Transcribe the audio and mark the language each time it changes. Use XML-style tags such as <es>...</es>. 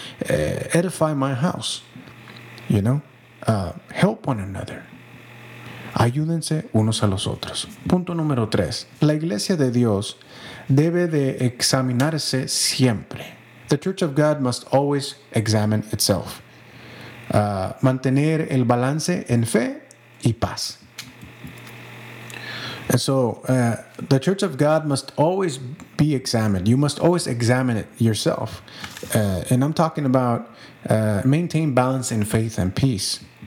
<en>Edify my house, you know, help one another.</en> <es>Ayúdense unos a los otros. Punto número 3. La iglesia de Dios debe de examinarse siempre.</es> <en>The church of God must always examine itself.</en> <es>Mantener el balance en fe y paz.</es> <en>And so, the church of God must always be examined. You must always examine it yourself. And I'm talking about maintain balance in faith and peace.</en>